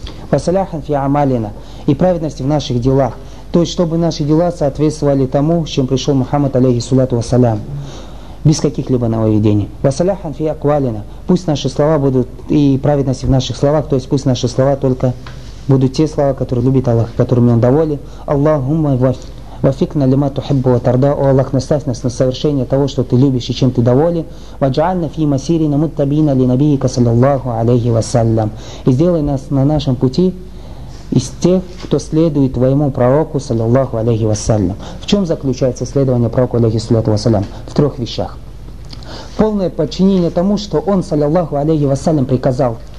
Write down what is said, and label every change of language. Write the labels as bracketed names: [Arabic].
[Arabic] Васаляхан фи амалина, [Russian] и праведности в наших делах. То есть, чтобы наши дела соответствовали тому, с чем пришел Мухаммад, алейхи салату вассалям, без каких-либо нововведений. [Arabic] Васаляхан фи аквалина, [Russian] пусть наши слова будут, и праведности в наших словах, то есть пусть наши слова только будут те слова, которые любит Аллах, которыми Он доволен. Аллахумма [Arabic] وفقنا لما تحب وترضى. [Russian] О Аллах, наставь нас на совершение того, что ты любишь и чем ты доволен. [Arabic] وجعلنا في مسيرنا متبعين لنبيك صلى الله عليه وسلم. [Russian] И сделай нас на нашем пути из тех, кто следует твоему пророку саллаллаху алейхи вассалям. В чем заключается следование пророку алейхи саллаллаху вассалям? В трех вещах. Полное подчинение тому, что он саллаллаху алейхи вассалям приказал.